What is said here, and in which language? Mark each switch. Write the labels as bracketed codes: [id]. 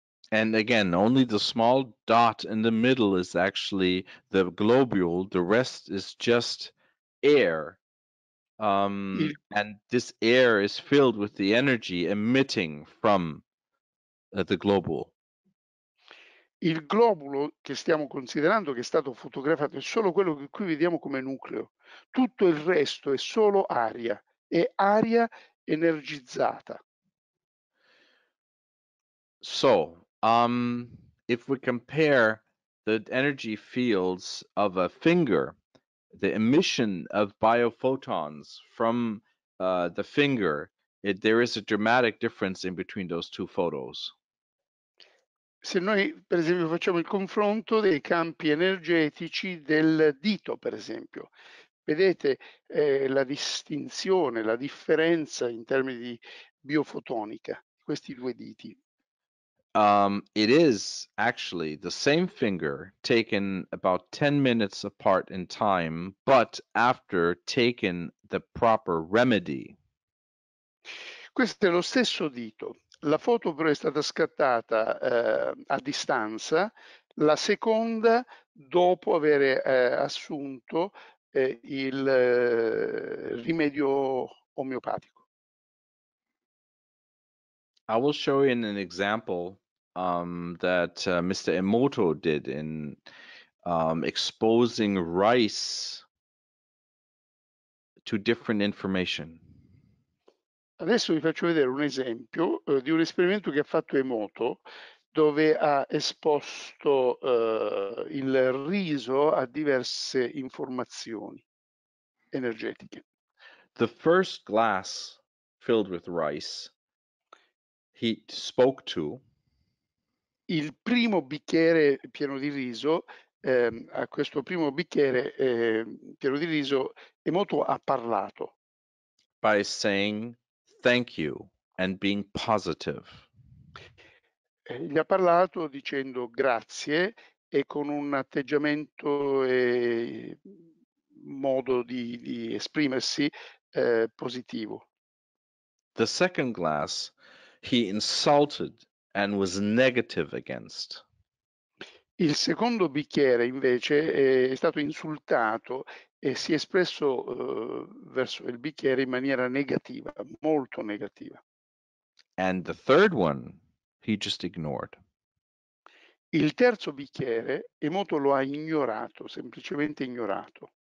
[en] And again, only the small dot in the middle is actually the globule, the rest is just air. And this air is filled with the energy emitting from the globule. [it] Il globulo che stiamo considerando, che è stato fotografato, è solo quello che qui vediamo come nucleo. Tutto il resto è solo aria, è aria energizzata. [en] So, if we compare the energy fields of a finger, the emission of biophotons from the finger, there is a dramatic difference in between those two photos. [it] Se noi, per esempio, facciamo il confronto dei campi energetici del dito, per esempio, vedete la distinzione, la differenza in termini di biofotonica di questi due diti. [en] It is actually the same finger taken about 10 minutes apart in time, but after taken the proper remedy. [it] Questo è lo stesso dito. La foto però è stata scattata a distanza, la seconda dopo avere assunto il rimedio omeopatico. [en] I will show you an example that Mr. Emoto did in exposing rice to different information. [it] Adesso vi faccio vedere un esempio di un esperimento che ha fatto Emoto, dove ha esposto il riso a diverse informazioni energetiche. [en] The first glass filled with rice he spoke to. [it] Il primo bicchiere pieno di riso, a questo primo bicchiere pieno di riso, Emoto ha parlato. [en] By saying thank you and being positive. [it] Gli ha parlato dicendo grazie e con un atteggiamento e modo di esprimersi positivo. [en] The second glass he insulted and was negative against. [it] Il secondo bicchiere invece è stato insultato e si è espresso verso il bicchiere in maniera negativa, molto negativa. [en] And the third one, he just ignored. [it] Il terzo bicchiere, Emoto lo ha ignorato, semplicemente ignorato.